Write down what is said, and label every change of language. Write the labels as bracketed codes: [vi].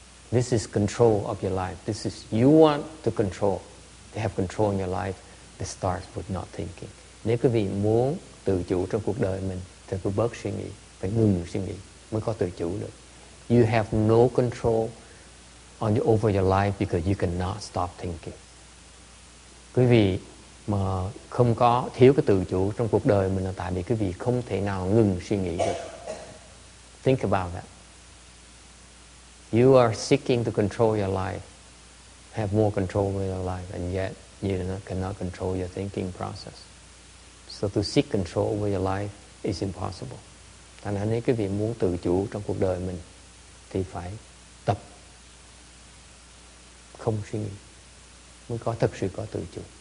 [en] This is control of your life. This is you want to control. To have control in your life, it starts with not thinking. [vi] Nếu quý vị muốn tự chủ trong cuộc đời mình, thì phải bớt suy nghĩ, phải ngừng suy nghĩ mới có tự chủ được. [en] you have no control on your, over your life because you cannot stop thinking. [vi] Quý vị mà không có thiếu cái tự chủ trong cuộc đời mình là tại vì quý vị không thể nào ngừng suy nghĩ được. [en] Think about that. You are seeking to control your life, have more control over your life, and yet you cannot control your thinking process. So to seek control over your life is impossible. [vi] Thành ra nếu quý vị muốn tự chủ trong cuộc đời mình thì phải tập không suy nghĩ mới có thực sự có tự chủ.